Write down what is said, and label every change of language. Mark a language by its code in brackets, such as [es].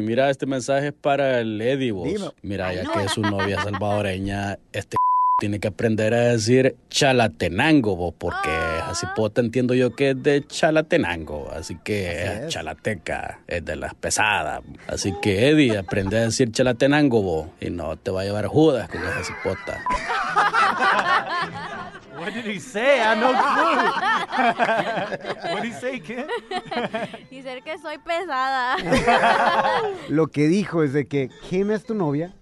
[es] Mira, este mensaje es para el Eddie, vos. Mira, ya que es su novia salvadoreña, este tiene que aprender a decir Chalatenango, vos, porque así pota entiendo yo que es de Chalatenango, así que así es. Chalateca es de las pesadas. Así que, Eddie, aprende a decir Chalatenango, vos, y no te va a llevar Judas con esa cipota. [en] What did he say? I have no clue. What did he say, Kim? [es] Dice que soy pesada. Lo que dijo es de que Kim es tu novia.